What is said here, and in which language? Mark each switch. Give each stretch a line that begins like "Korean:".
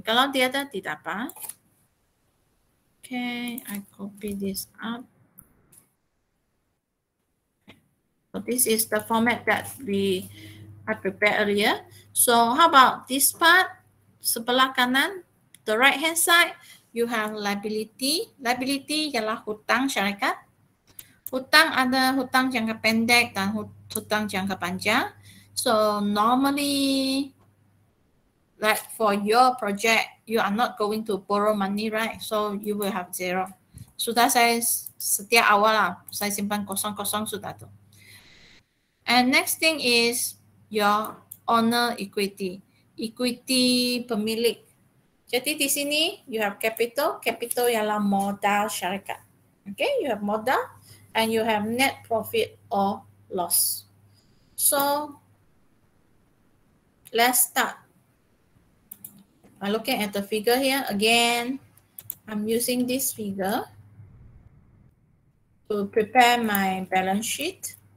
Malay: Kalau dia ada, tidak apa.
English: Okay, I copy this up. So this is the format that I prepared earlier. So how about this part?
Malay: Sebelah kanan,
English: the right hand side, you have liability.
Malay: Liability ialah hutang syarikat. Hutang ada hutang jangka pendek dan hutang jangka panjang.
English: So normally, like for your project, you are not going to borrow money, right? So you will have zero.
Malay: Sudah saya setiap awal lah, saya simpan kosong-kosong sudah tu.
English: And next thing is your owner equity.
Malay: Equity pemilik. Jadi di sini,
English: you have capital.
Malay: Capital ialah modal syarikat.
English: Okay, you have modal and you have net profit or loss. So, let's start. I'm looking at the figure here again. I'm using this figure to prepare my balance sheet.